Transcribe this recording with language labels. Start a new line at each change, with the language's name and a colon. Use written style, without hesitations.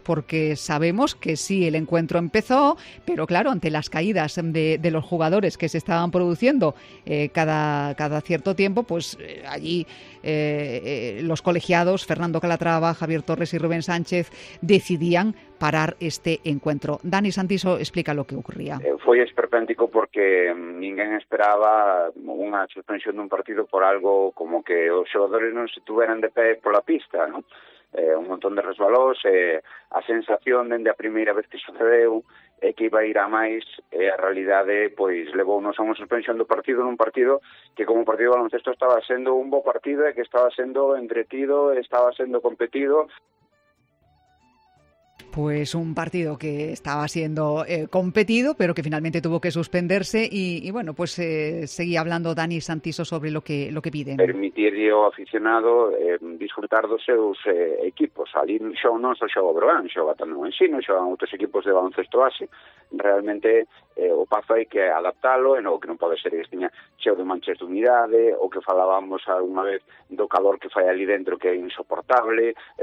Spanish: Porque sabemos que sí, el encuentro empezó, pero claro, ante las caídas de los jugadores que se estaban produciendo cada cierto tiempo, pues allí los colegiados, Fernando Calatrava, Javier Torres y Rubén Sánchez, decidían parar este encuentro. Dani Santiso explica lo que ocurría. Fue esperpéntico porque ninguén esperaba una suspensión de un partido por algo como que los jugadores no se tuvieran de pie por la pista, ¿no?
Galician: Un montón de resbalos, a sensación dende a primeira vez que sucedeu que iba a ir a máis, a realidade pois levounos a unha suspensión do partido, nun partido que como partido de baloncesto estaba sendo un bo partido e que estaba sendo entretido, estaba sendo competido.
Spanish: Pues un partido que estaba siendo competido, pero que finalmente tuvo que suspenderse. Y bueno, pues seguía hablando Dani Santiso sobre lo que piden.
Galician: Permitirle ao aficionado disfrutar dos seus equipos. Alí xa non só xa o Breogán, xa o Batano en Sino, xa outros equipos de baloncesto base. Realmente o Pazo hai que adaptalo, e non, que non pode ser que esteña cheo de manchas de humidade, o que falábamos alguna vez do calor que fai ali dentro, que é insoportable.